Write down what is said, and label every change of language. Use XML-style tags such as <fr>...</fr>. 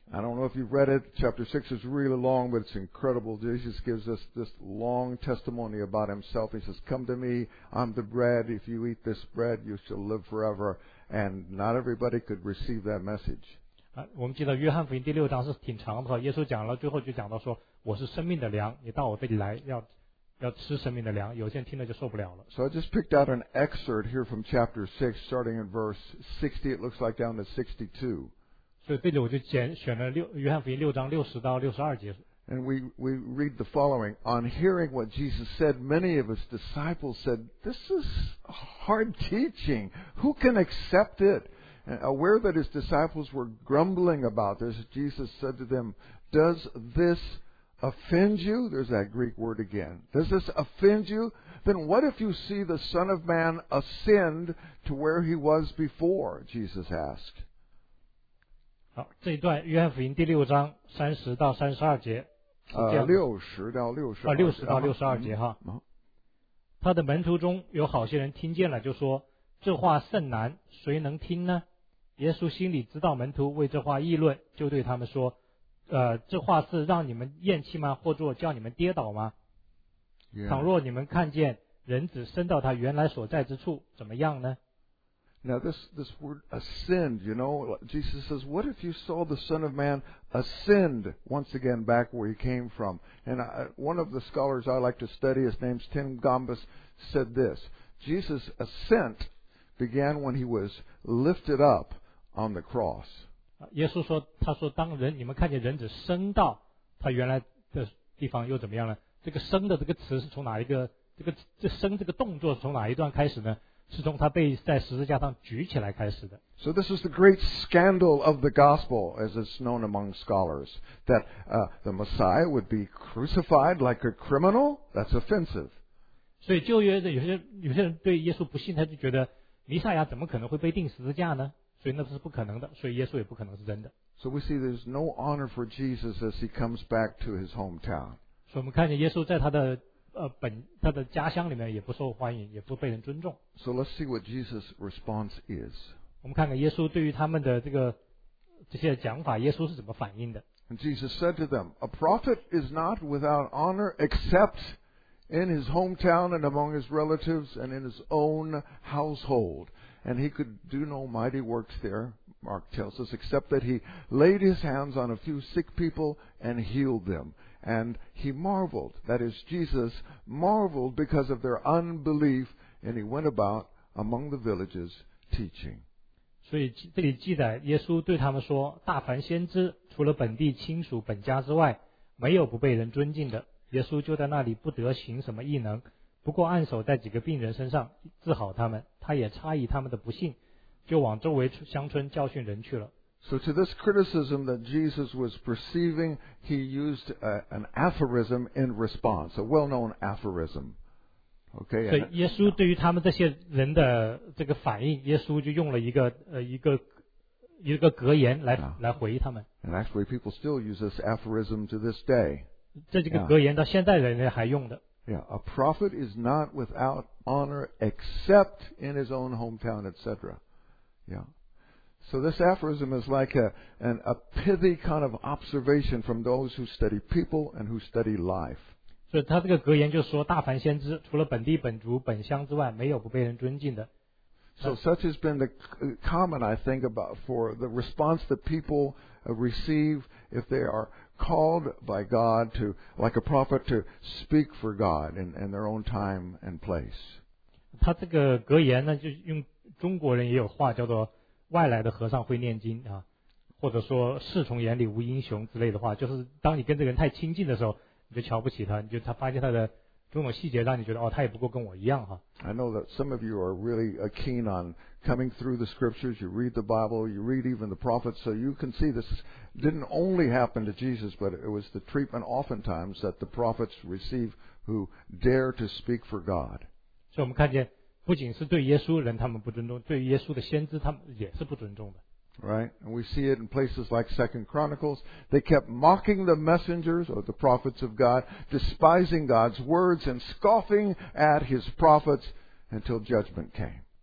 <en>I don't know if you've read it. Chapter 6 is really long, but it's incredible. Jesus gives us this long testimony about himself. He says, come to me, I'm the bread. If you eat this bread, you shall live forever. And not everybody could receive that message.</en> <zh>我们记得约翰福音第六章是挺长的，耶稣讲了最后就讲到说，我是生命的粮，你到我这里来要吃生命的粮，有些人听了就受不了了。</zh> <en>So I just picked out an excerpt here from chapter 6, starting in verse 60, it looks like down to 62.</en> <zh>所以这里我就选了约翰福音六章60到62节。</zh> <en>And we read the following, on hearing what Jesus said, many of his disciples said, this is hard teaching, who can accept it? And aware that his disciples were grumbling about this, Jesus said to them, does thisoffend you? There's that Greek word again. Does this offend you? Then what if you see the Son of Man ascend to where he was before? Jesus asked.</en> <zh>好，这一段约翰福音第六章三十到三十二节。六十到六十二节哈。他的门徒中有好些人听见了，就说这话甚难，谁能听呢？耶稣心里知道门徒为这话议论，就对他们说。这话是让你们厌弃吗？或做叫你们跌倒吗？</zh> <en>Yeah.</en> <zh>倘若你们看见人子升到他原来所在之处，怎么样呢？</zh> <en>Now this word ascend, you know, Jesus says, what if you saw the Son of Man ascend once again back where he came from? And one of the scholars I like to study, his name's Tim Gombas, said this, Jesus' ascent began when he was lifted up on the cross.</en> <zh>耶稣说，他说，当人你们看见人子升到他原来的地方又怎么样呢？这个生的这个词是从哪一个，这生这个动作是从哪一段开始呢？是从他被在十字架上举起来开始的。</zh> <en>So this is the great scandal of the gospel, as it's known among scholars, that the Messiah would be crucified like a criminal. That's offensive.</en> <zh>所以旧约的有些人对耶稣不信，他就觉得弥赛亚怎么可能会被钉十字架呢？所以那是不可能的，所以耶稣也不可能是真的。</zh> <en>So we see there's no honor for Jesus as he comes back to his hometown.</en> <zh>所以我们看见耶稣在他的他的家乡里面也不受欢迎，也不被人尊重。</zh> <en>So let's see what Jesus' response is.</en> <zh>我们看看耶稣对于他们的这些讲法，耶稣是怎么反应的。</zh> <en>And Jesus said to them, "A prophet is not without honor except in his hometown and among his relatives and in his own household." And he could do no mighty works there, Mark tells us, except that he laid his hands on a few sick people and healed them. And he marveled, that is, Jesus marveled because of their unbelief, and he went about among the villages teaching.</en> <zh>所以这里记载耶稣对他们说，大凡先知除了本地亲属本家之外，没有不被人尊敬的。耶稣就在那里不得行什么异能，不过按手在几个病人身上治好他们，他也诧异他们的不信，就往周围乡村教训人去了。</zh> <en>So to this criticism that Jesus was perceiving, he used an aphorism in response, a well-known aphorism. Okay.</en> <zh>所以耶稣对于他们这些人的这个反应，耶稣就用了一个格言来回应他们。</zh> <en>And actually, people still use this aphorism to this day.</en> <zh>这几个格言到现在人类还用的。</zh> <en>Yeah, a prophet is not without honor except in his own hometown, etc. Yeah. So this aphorism is like a pithy kind of observation from those who study people and who study life.</en> <zh>所以他这个格言就说，大凡先知除了本地本族本乡之外，没有不被人尊敬的。</zh> <en>So such has been the common, I think, about for the response that people receive if they are called by God to, like a prophet, to speak for God in their own time and place.</en> <zh>他这个格言呢，就用中国人也有话叫做“外来的和尚会念经”啊，或者说“侍从眼里无英雄”之类的话，就是当你跟这个人太亲近的时候，你就瞧不起他，你就他发现他的种种细节，让你觉得哦，他也不过跟我一样哈。</zh> <en>I know that some of you are really keen on coming through the scriptures. You read the Bible, you read even the prophets, so you can see this didn't only happen to Jesus, but it was the treatment oftentimes that the prophets receive who dare to speak for God.</en> <zh>所以我们看见，不仅是对耶稣人他们不尊重，对耶稣的先知他们也是不尊重的。</zh> <en>Right, and we see it in places like 2 Chronicles. They kept mocking the messengers or the prophets of God, despising God's words and scoffing at His prophets until judgment came.</en>